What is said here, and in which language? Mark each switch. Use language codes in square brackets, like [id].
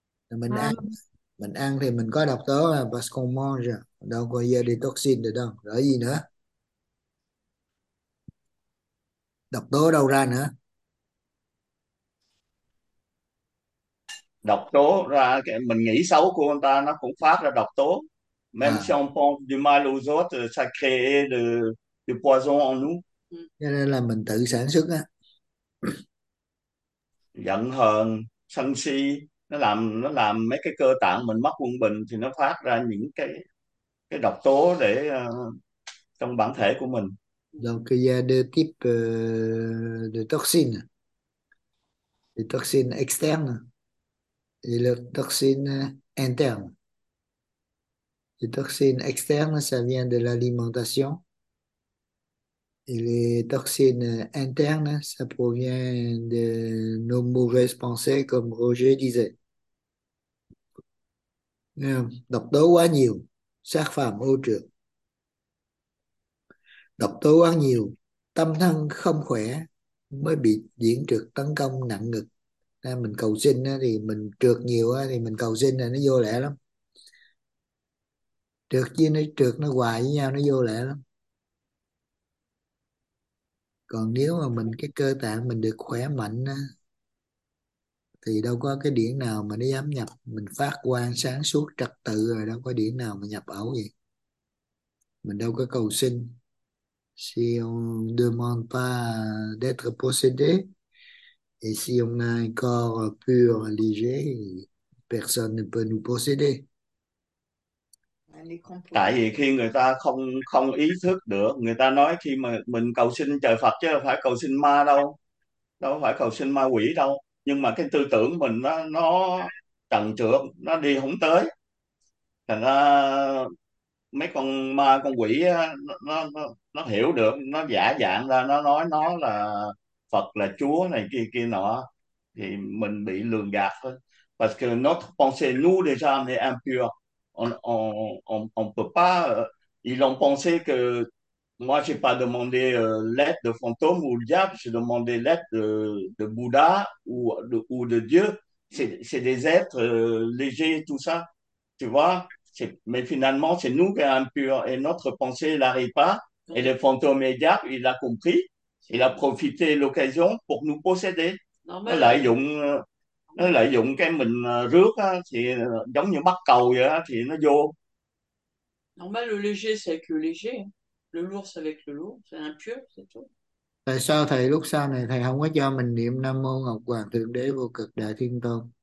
[vi] Mình ăn thì mình có độc tố, [fr] parce qu'on mange, [vi] đâu có giờ đi toxin được đâu, rồi gì nữa, độc tố đâu ra nữa? độc tố ra cái mình nghĩ xấu của người ta nó cũng phát ra độc tố. [fr] Même si on pense du mal aux autres, ça crée du poison en [vi] Cho nên là mình tự sản xuất á. [fr] nous. [vi] Giận hờn, sân si, nó làm mấy cái cơ tạng mình mất quân bình thì nó phát ra những cái độc tố để trong bản thể của mình. [fr] Donc il y a deux types de toxines. Les toxines externes et les toxines internes. Les toxines externes, ça vient de l'alimentation. Et les toxines internes, ça provient de nos mauvaises pensées, comme Roger disait. [vi] Độc tố quá nhiều, xác phàm ô trược. Độc tố quá nhiều, tâm thân không khỏe mới bị điển trược tấn công nặng ngực. Nên mình cầu sinh thì mình trược nhiều thì mình cầu sinh là nó vô lẹ lắm. Trược nó hoài với nhau nó vô lẹ lắm. Còn nếu mà mình cái cơ tạng mình được khỏe mạnh thì đâu có cái điển nào mà nó dám nhập. Mình phát quang sáng suốt trật tự rồi, đâu có điển nào mà nhập ẩu gì. Mình đâu có cầu sinh. [fr] Si on demande pas d'être possédé, et si on a un corps pur, léger, personne ne peut nous posséder. [vi] Tại vì khi người ta không không ý thức được, người ta nói khi mà mình cầu xin trời Phật chứ không phải cầu xin ma đâu, đâu phải cầu xin ma quỷ đâu, nhưng mà cái tư tưởng mình nó trần trượt, nó đi không tới, thành ra mấy con ma con quỷ nó hiểu được, nó giả dạng ra, nó nói nó là Phật là Chúa này kia kia nọ, thì mình bị lường gạt thôi. [fr] parce que notre pensée, nous déjà, on est impur. On peut pas. Ils ont pensé que moi, j'ai pas demandé l'aide de fantôme ou le diable, j'ai demandé l'aide de Bouddha ou de Dieu. C'est des êtres légers, tout ça. Tu vois? Mais finalement, c'est nous qui sommes impurs et notre pensée n'arrive pas. Et le fantôme et le diable, il a compris. Il a profité l'occasion pour nous posséder. Normal. [vi] Nó lợi dụng cái mình rước á, thì giống như mắc cầu vậy á, thì nó vô. [fr] Normal, le léger, c'est avec le léger. Le lourd, c'est avec le lourd. C'est impur, c'est tout. [vi] Tại sao thầy lúc sau này thầy không có cho mình niệm Nam Mô Ngọc Hoàng Thượng Đế Vô Cực Đại Thiên Tôn?